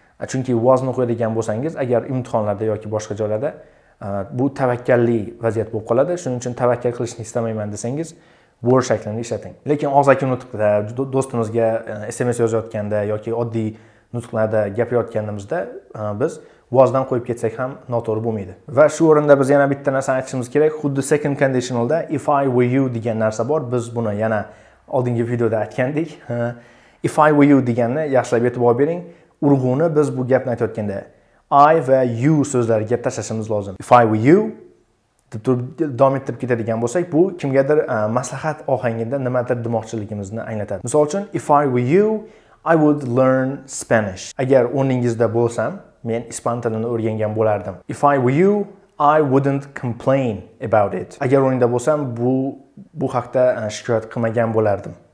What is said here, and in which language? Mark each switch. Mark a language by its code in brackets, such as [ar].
[uz] Chunki was'ni qo'yadigan bo'lsangiz, agar imtihonlarda yoki boshqa joylarda bu tavakkalli vaziyat bo'lib qoladi. Shuning uchun tavakkal qilishni istamayman desangiz, were shaklini ishlating. Lekin og'zaki nutqda do'stimizga SMS yozayotganda yoki oddiy nutqlarda gapirayotganimizda biz was'dan qo'yib ketsak ham noto'g'ri bo'lmaydi. Va shu o'rinda biz yana bitta narsani aytishimiz kerak. Xuddi second conditionalda [en] if I were you [uz] degan narsa bor. Biz buni yana oldingi videoda aytgandik. [en] If I were you [uz] deganini yaxshilab e'tibor bering. Urg'uni biz bu gapni aytayotganda I va you so'zlariga tashlashimiz lozim. [en] If I were you [uz] deb turib davom ettirib ketadigan bo'lsak, bu kimgadir maslahat ohangida nimadir demoqchiligimizni anglatadi. Misol uchun [en] if I were you, I would learn Spanish. [uz] Agar o'rningizda bo'lsam, men ispan tilini o'rgangan bo'lardim. [en] If I were you, I wouldn't complain about it. [uz] Agar o'rningda bo'lsam, bu haqda shikoyat qilmagan bo'lardim.